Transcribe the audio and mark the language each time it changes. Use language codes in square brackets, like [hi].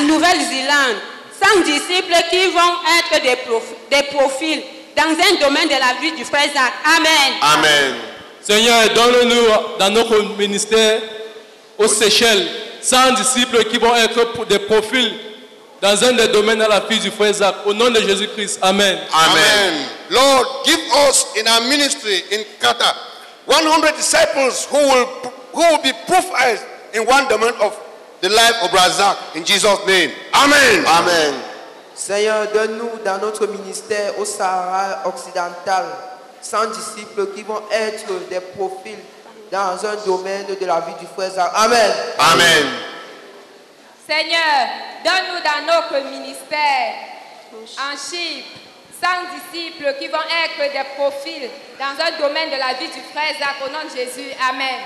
[fr] En Nouvelle-Zélande, 100 disciples qui vont être des profils dans un domaine de la vie du frère Zach. Amen. Amen. Seigneur, donne-nous dans notre ministère aux Seychelles 100 disciples qui vont être des profils dans un des domaines de la vie du frère Zach. Au nom de Jésus-Christ, amen. Amen. [en] Lord, give us in our ministry in Qatar 100 disciples who will be proofed in one domain of the life of Brother Zach, in Jesus' name. Amen. Amen. [fr] Seigneur, donne-nous dans notre ministère au Sahara occidental 100 disciples qui vont être des profils dans un domaine de la vie du frère Zach. Amen. Amen. Seigneur, donne-nous dans notre ministère en Chypre 100 disciples qui vont être des profils dans un domaine de la vie du frère Zach. Au nom de Jésus, amen.